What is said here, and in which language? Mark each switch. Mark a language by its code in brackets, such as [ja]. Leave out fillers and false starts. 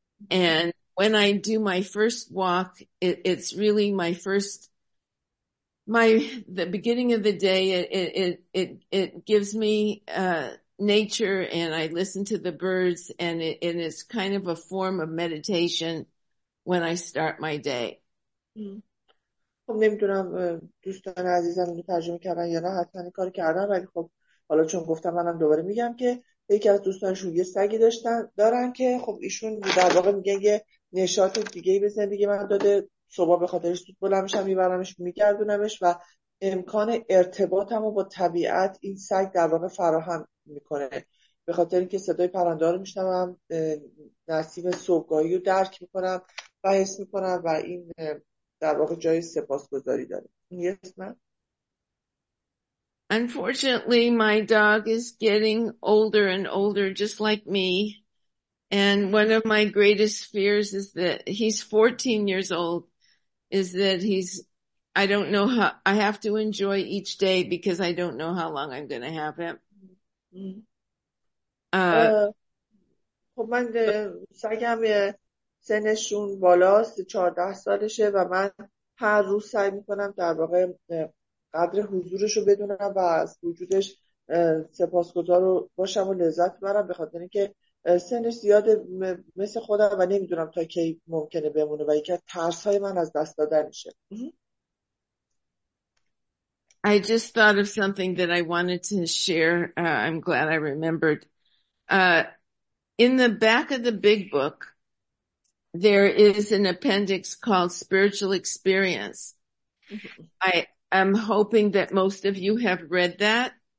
[en] And when I do my first walk, it's really my first the beginning of the day, it gives me nature, and I listen to the birds, and it's kind of a form of meditation when I start my day. [fa] خب نمیدونم دوستان عزیزم ترجمه کردن یا نه، حتما کار کردن، ولی خب حالا چون گفتم منم دوباره میگم که یکی از دوستانشون یه سگی داشتن دارن که خب ایشون در واقع میگن یه نشاط دیگه به زندگی من داده، صبح به خاطرش زود بلند میشم میبرمش میگردونمش و امکان ارتباطمو با طبیعت این سگ در واقع فراهم میکنه، به خاطر اینکه صدای پرنده‌ها رو میشنوم، نصیب صبحگاهی رو درک میکنم و حس میکنم و این در واقع جای سپاسگزاری داره. [en] Yes, ma'am. Unfortunately, my dog is getting older and older just like me. And one of my greatest fears is that he's 14 years old, is that I don't know how, I have to enjoy each day because I don't know how long I'm going to have him. [fa] خب من سگم سنشون بالاست، 14 سالشه و من هر روز سعی میکنم در واقع قدر حضورشو بدونم و از وجودش سپاسگزار باشم و لذت برم، به خاطر اینکه سنش زیاده مثل خودم و نمیدونم تا کی ممکنه بمونه و یکی از ترس های من از دست دادن میشه. [en] I just thought of something that I wanted to share. I'm glad I remembered. In the back of the big book, there is an appendix called Spiritual Experience. I am hoping that most of you have read that.